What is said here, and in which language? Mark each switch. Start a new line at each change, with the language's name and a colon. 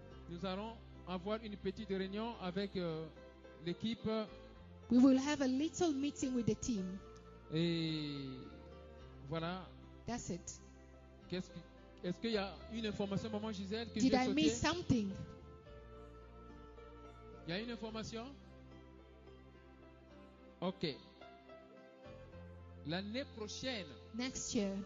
French: Nous allons avoir une petite réunion avec l'équipe.
English: We will have a little meeting with the team.
French: Et voilà.
English: That's it.
French: Est-ce qu'il y a une information, maman Gisèle, que
English: Did
French: j'ai
English: I
French: sauté?
English: Miss something?
French: Il y a une information? Ok. L'année prochaine,
English: Next year,